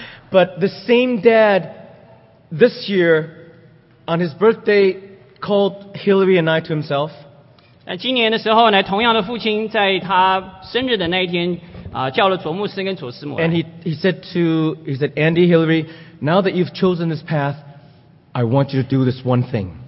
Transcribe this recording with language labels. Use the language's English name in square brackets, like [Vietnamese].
[English] But the same dad, this year, on his birthday, called Hillary and I to himself. [Chinese] 今年的时候呢, 同样的父亲在他生日的那一天, [English] And he said, Andy, Hillary, now that you've chosen this path, I want you to do this one thing.